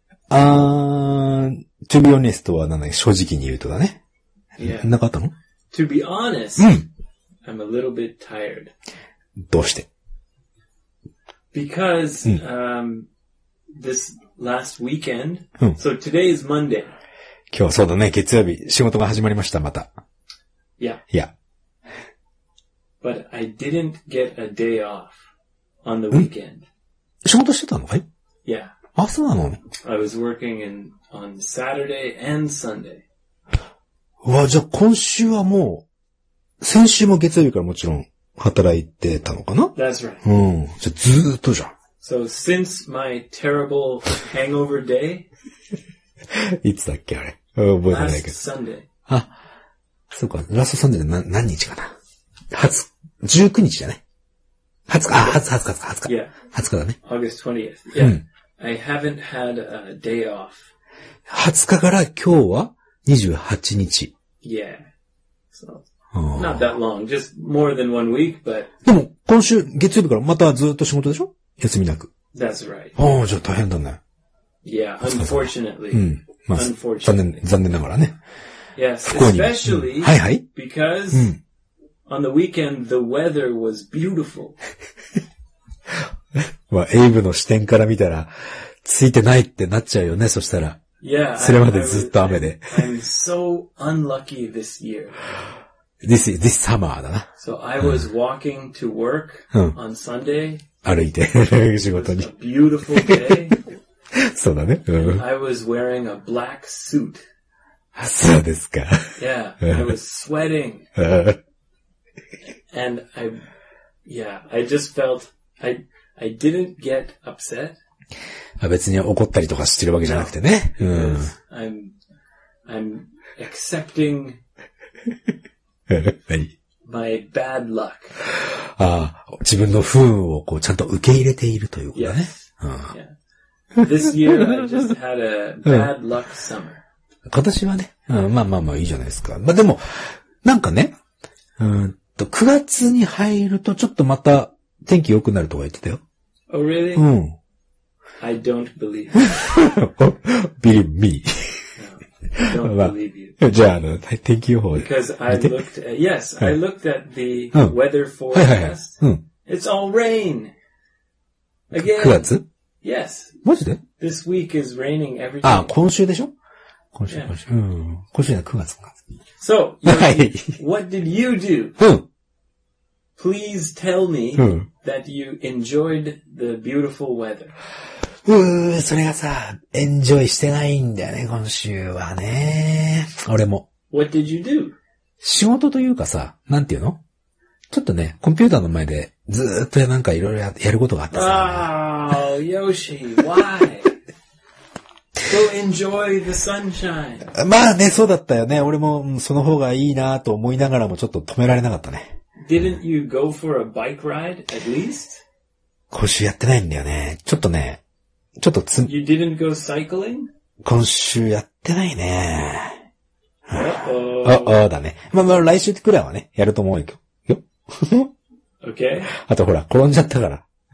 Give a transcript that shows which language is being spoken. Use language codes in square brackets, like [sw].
[en] To be honest [ja] は何だ、正直に言うとだね。 [en] Yeah. [ja] 何かあったの？ [en] To be honest, I'm a little bit tired. [ja] どうして？ [en] Because, this last weekend, so today is Monday. [ja] 今日そうだね、月曜日、仕事が始まりました、また。 [en] Yeah. But I didn't get a day off on the weekend. [ja] 仕事してたのかい？ [en] Yeah. [ja] あ、そうなの？ [en] I was working in, on Saturday and Sunday. [ja] うわ、じゃあ今週はもう、先週も月曜日からもちろん働いてたのかな？ [en] That's right. [ja] うん。じゃあずーっとじゃん。 [en] So since my terrible hangover day, [ja] いつだっけあれ？覚えてないけど。 [en] Last Sunday. [ja] あ、そうか。ラストサンデーで何日かな？ 19日じゃない ?20 日、20日。 [en] Yeah. [ja] 20日だね。 [en] August 20th. Yeah.、うん、I haven't had a day off. [ja] 20日から今日は28日。 [en] Yeah. So, not that long, just more than one week, but. [ja] でも、今週、月曜日からまたずっと仕事でしょ？休みなく。 [en] That's right. [ja] ああ、じゃあ大変だね。 [en] Yeah, unfortunately. [ja] うん。まあ、残念ながらね。 [en] Yes, especially、 [ja] うん、はいはい、 [en] because、うん、On the weekend, the weather was beautiful. [ja] まあ、エイブの視点から見たら、ついてないってなっちゃうよね、そしたら。 [en] Yeah, [ja] それまでずっと雨で。 [en] I'm so unlucky this year. This summer だな。 So I was walking to work on Sunday. [ja] 歩いて、仕事に。 [en] It was a beautiful day. [ja] そうだね。 [en] I was wearing a black suit. [ja] そうですか。 [en] Yeah, I was sweating. And I just felt I didn't get upset. [ja] 別に怒ったりとかしてるわけじゃなくてね。 [en] No, I'm accepting my bad luck. [ja] あ、自分の不運をこうちゃんと受け入れているということだね。 [en] Yes. This year I just had a bad luck summer. [ja] 今年はね、まあまあまあいいじゃないですか。まあでもなんかね、9月に入るとちょっとまた天気良くなるとか言ってたよ。 [en] Oh, really? [ja] うん。 [en] I don't believe Believe me. No, don't believe you. [ja] じゃあ、天気予報で。 [en] Because I looked at, yes, I looked at the weather forecast. [ja] はいはいはい、 [en] It's all rain. Again. [ja] 9月？ [en] Yes. [ja] マジで？ [en] This week is raining every day. [ja] あ、今週でしょ？今週、今週。うん。今週は9月か。 [en] So, what did you do? Please tell me that you enjoyed the beautiful weather. [ja] それがさ、エンジョイしてないんだよね、今週はね。俺も。 [en] What did you do? [ja] 仕事というかさ、なんていうの？ちょっとね、コンピューターの前でずーっとなんかいろいろやることがあってさ。 [en] Oh, Yoshi, why? Go enjoy the sunshine. [ja] まあね、そうだったよね。俺も、その方がいいなと思いながらもちょっと止められなかったね。 [en] Didn't you go for a bike ride, at least? [ja] 今週やってないんだよね。ちょっとね、ちょっと [en] You didn't go cycling? [ja] 今週やってないね。 [en] Uh-oh. [ja] Uh-oh だね。まあまあ来週くらいはね、やると思うよ。よ。 [en] Okay. [ja] あとほら、転んじゃったから。